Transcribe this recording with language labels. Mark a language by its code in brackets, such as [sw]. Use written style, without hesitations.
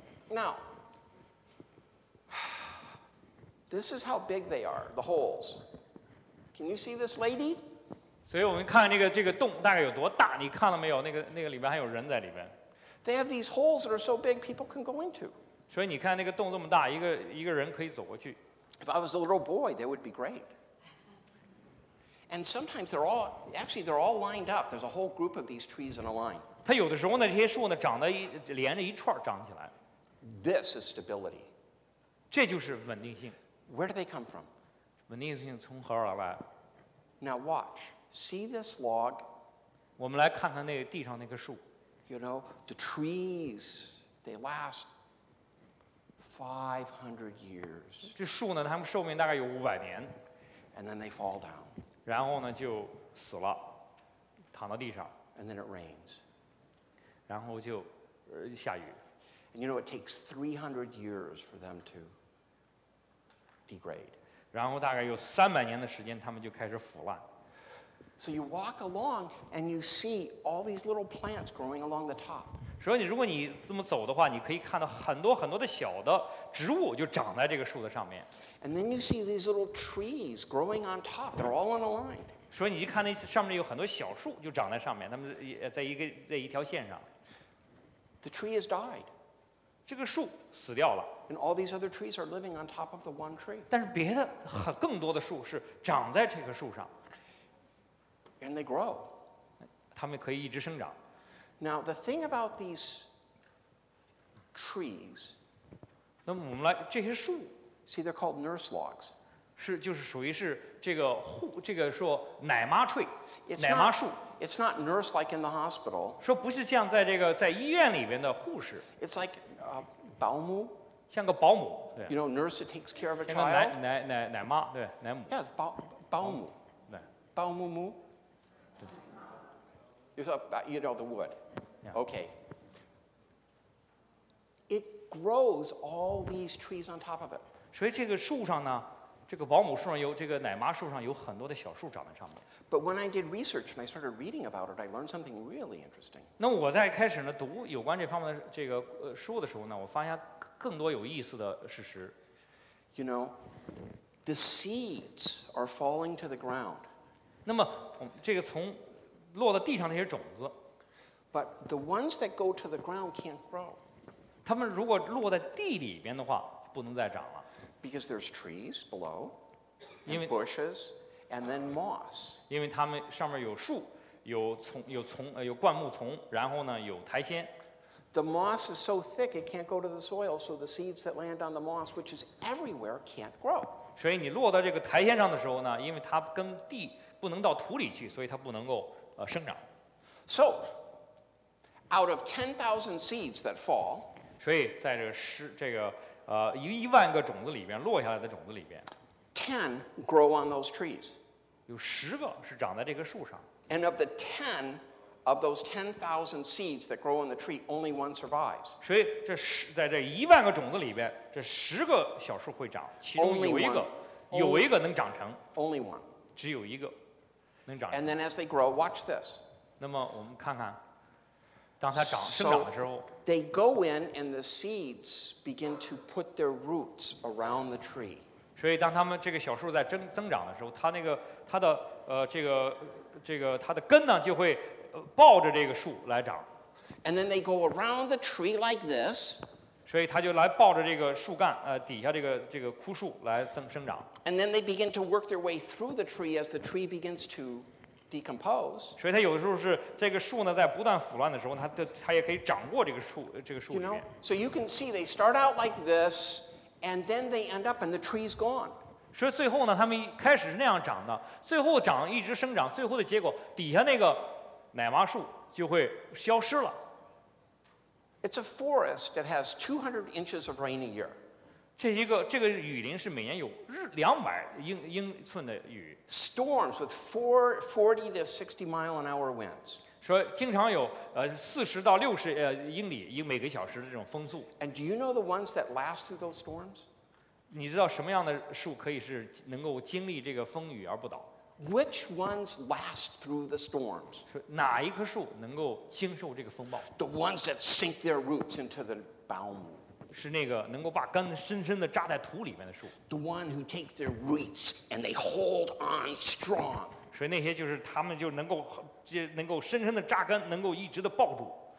[en] Now. This is how big they are, the holes. Can you see this lady? [zh] 所以我们看这个洞大概有多大，你看了没有？那个里边还有人在里边。 [en] They have these holes that are so big people can go into. [zh] 所以你看那个洞这么大，一个人可以走过去。 [en] If I was a little boy, that would be great. And sometimes they're all lined up. There's a whole group of these trees in a line. [zh] 它有的时候呢，这些树呢长得连着一串长起来。 [en] This is stability. [zh] 这就是稳定性。 [en] Where do they come from? [zh] 稳定性从何而来 [en] ？Now watch, see this log. [zh] 我们来看看那个地上那棵树。 [en] You know the trees, they last 500 years. [zh] 这树呢，它们寿命大概有500年。 [en] And then they fall down. [zh] 然后呢就死了，躺到地上。 [en] And then it rains. [zh] 然后就下雨。 [en] And you know it takes 300 years for them to. Degrade. [zh] 然后大概有300年的时间，他们就开始腐烂。 [en] So you walk along and you see all these little plants growing along the top. [zh] 所以如果你这么走的话，你可以看到很多很多的小的植物就长在这个树的上面。 [en] And then you see these little trees growing on top. They're all in a line. [zh] 所以你一看那上面有很多小树就长在上面，它们在一个在一条线上。 [en] The tree has died. [zh] 这个树死掉了。 [en] And all these other trees are living on top of the one tree. [zh] 但是别的更多的树是长在这棵树上。 [en] And they grow. [zh] 它们可以一直生长。 [en] Now the thing about these trees. [zh] 那我们来这些树。 [en] See, they're called nurse logs. [zh] 是就是属于是这个护这个说奶妈 tree, 奶妈树。 [en] It's not nurse like in the hospital. [zh] 说不是像在这个在医院里边的护士。 [en] It's like a 保姆。 [zh] 像个保姆。 [en] You know, nurse that takes care of a child. [zh] 像个奶妈对奶母。 [en] Yeah, it's 保姆。 [zh] 对。保姆。 [en] It's about, you know, the wood. Yeah. Okay. It grows all these trees on top of it. [zh] 所以这个树上呢，这个保姆树上有这个奶妈树上有很多的小树长在上面。 [en] But when I did research and I started reading about it, I learned something really interesting. [zh] 那我在开始呢读有关这方面的这个书的时候呢，我发现更多有意思的事实。 [en] You know, the seeds are falling to the ground. [zh] 那么这个从落到地上那些种子 [en] ，But the ones that go to the ground can't grow. [zh] 他们如果落在地里边的话，不能再长了。 [en] Because there's trees below, and bushes, and then moss. [zh] 因为他们上面有树，有灌木丛，然后呢有苔藓。 [en] The moss is so thick it can't go to the soil, so the seeds that land on the moss, which is everywhere, can't grow. [zh] 所以你落到这个苔藓上的时候呢，因为它跟地不能到土里去，所以它不能够。生长。 [en] So, out of 10,000 seeds that fall, [zh] 所以在这个一万个种子里边落下来的种子里边 [en] ，10 grow on those trees. [zh] 有十个是长在这个树上。 [en] And of the 10 of those 10,000 seeds that grow on the tree, only one survives. [zh] 所以这十在这一万个种子里边，这十个小树会长，其中有一个能长成。 [en] Only one. [zh] 只有一个。 [en] And then as they grow, watch this. [zh] 那么我们看看，当它长生长的时候 [en] ，they go in and the seeds begin to put their roots around the tree. [zh] 所以当它们这个小树在增长的时候，它那个它的它的根呢就会抱着这个树来长。 [en] And then they go around the tree like this. [zh] 所以它就来抱着这个树干，底下这个枯树来生长。 [en] And then they begin to work their way through the tree as the tree begins to decompose. [zh] 所以它有的时候是这个树呢，在不断腐烂的时候，它也可以长过这个树里面。 [en] You know, so you can see they start out like this, and then they end up and the tree's gone. [zh] 所以最后呢，它们开始是那样长的，最后长一直生长，最后的结果底下那个奶妈树就会消失了。 [en] It's a forest that has 200 inches of rain a year. [zh] 这个雨林是每年有200英寸的雨。 [en] Storms with 40 to 60 mile an hour winds. [zh] 说经常有40到60英里每个小时的这种风速。 [en] And do you know the ones that last through those storms? [zh] 你知道什么样的树可以是能够经历这个风雨而不倒？ [en] Which ones last through the storms? [zh] 哪一棵树能够经受这个风暴？ [en] The ones that sink their roots into the baum. [zh] 是那个能够把根深深地扎在土里面的树。 [en] The one who takes their roots and they hold on strong. [zh] 所以那些就是他们就能够深深地扎根，能够一直地抱住。